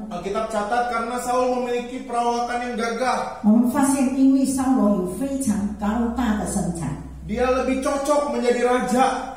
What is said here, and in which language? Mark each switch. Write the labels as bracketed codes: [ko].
[id] Alkitab catat karena Saul memiliki perawakan yang gagah. [zh] 我们发现因为扫罗有非常高大的身材。 [id] Dia lebih cocok menjadi raja.